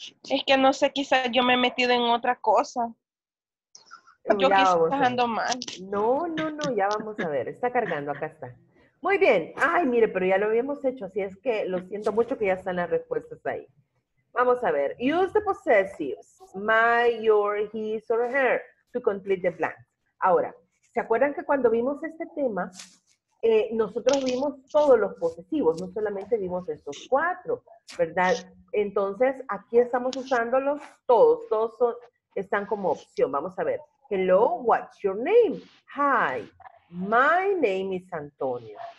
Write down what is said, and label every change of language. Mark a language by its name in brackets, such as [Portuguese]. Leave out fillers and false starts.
[Spanish] Es que no sé, quizás yo me he metido en otra cosa. Yo Ya quizás vamos a ver. ando mal. No, no, no, ya vamos a ver. Está cargando, acá está. Muy bien. Ay, mire, pero ya lo habíamos hecho, así es que lo siento mucho que ya están las respuestas ahí. Vamos a ver. [English] Use the possessives. My, your, his or her to complete the blank. [Spanish] Ahora, ¿se acuerdan que cuando vimos este tema, nosotros vimos todos los posesivos, no solamente vimos estos cuatro, ¿verdad? Entonces, aquí estamos usándolos todos. Todos son, están como opción. Vamos a ver. [English] Hello, what's your name? Hi, my name is Antonio.